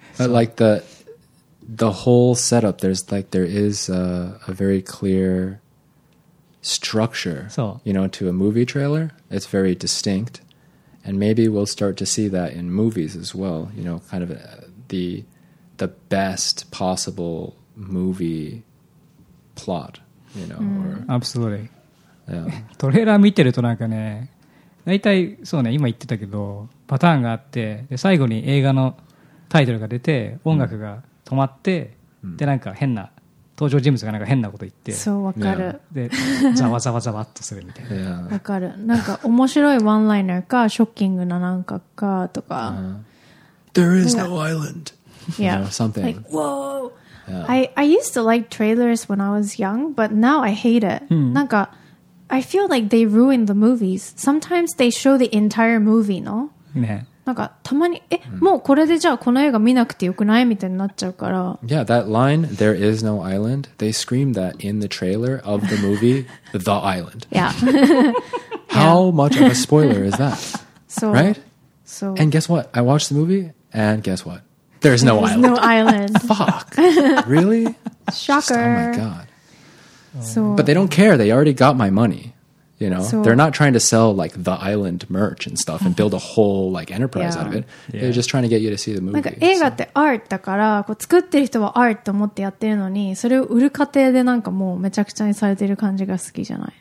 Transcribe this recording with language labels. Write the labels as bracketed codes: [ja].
[en] But like the whole setup, there's like there is a very clear structure, so, you know, to a movie trailer. It's very distinct. And maybe we'll start to see that in movies as well, you know, kind of the best possible movie plot, you know. Mm. Or, absolutely. Yeah. [ja] トレーラー見てるとなんかね、大体そうね、今言ってたけど、パターンがあって、で最後に映画のタイトルが出て、音楽が止まって、でなんか変な、登場人物がなんか変なこと言って、そう、わかる。で、ざわざわざわっとするみたいな。わかる。なんか面白いワンライナーか、ショッキングななんかかとか。 [en] There is no island. Yeah. You know, something. Like, whoa! I used to like trailers when I was young, but now I hate it. なんか、I feel like they ruin the movies. Sometimes they show the entire movie, no? Yeah. [ja] なんかたまに、え、もうこれでじゃあこの映画見なくてよくない? みたいになっちゃうから。 [en] Yeah, that line, there is no island, they scream that in the trailer of the movie, The Island. Yeah. How much of a spoiler is that? So, right? So. And guess what? I watched the movie, and guess what? There's no there's island. No island. Fuck. Really? Shocker. Just, oh my God. So, but they don't care. They already got my money. You know, so, they're not trying to sell like the island merch and stuff and build a whole like enterprise out of it. Yeah. They're just trying to get you to see the movie. [ja] なんか映画ってアートだから、こう作ってる人はアートと思ってやってるのに、それを売る過程でなんかもうめちゃくちゃにされてる感じが好きじゃない。